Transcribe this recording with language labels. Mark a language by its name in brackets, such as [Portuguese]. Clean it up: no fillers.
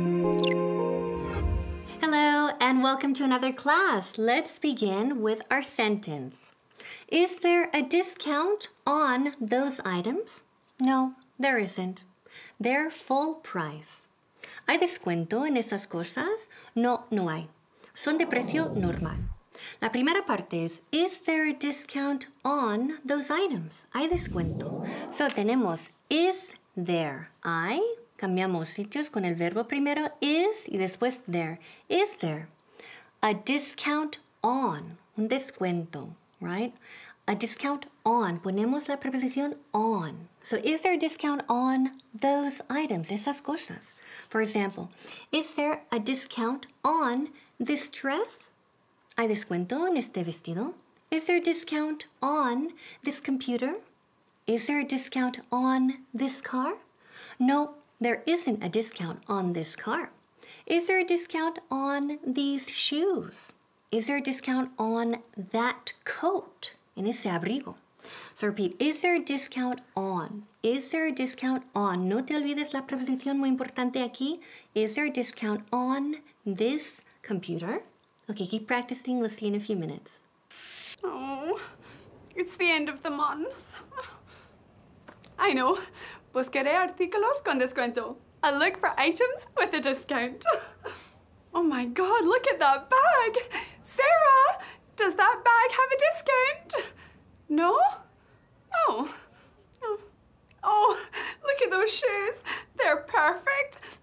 [English] Hello, and welcome to another class. Let's begin with our sentence. Is there a discount on those items? No, there isn't. They're full price. [Spanish] ¿Hay descuento en esas cosas? No, no hay. Son de precio normal. La primera parte es, [English] is there a discount on those items? [Spanish] ¿Hay descuento? So tenemos, is there, hay. Cambiamos sitios con el verbo primero, is, y después there. [English] Is there a discount on, un descuento, right? A discount on, [Spanish] ponemos la preposición on. [English] So is there a discount on those items, [Spanish] esas cosas? [English] For example, is there a discount on this dress? [Spanish] ¿Hay descuento en este vestido? [English] Is there a discount on this computer? Is there a discount on this car? No, there isn't a discount on this car. Is there a discount on these shoes? Is there a discount on that coat? [Spanish] En ese abrigo. [English] So repeat, is there a discount on? Is there a discount on? [Spanish] No te olvides la preposición muy importante aquí. [English] Is there a discount on this computer? Okay, keep practicing. We'll see you in a few minutes. Oh, it's the end of the month. I know. [Spanish] Buscaré artículos con descuento. [English] I look for items with a discount. Oh my God, look at that bag. Sarah, does that bag have a discount? No? Oh. Oh, look at those shoes. They're perfect.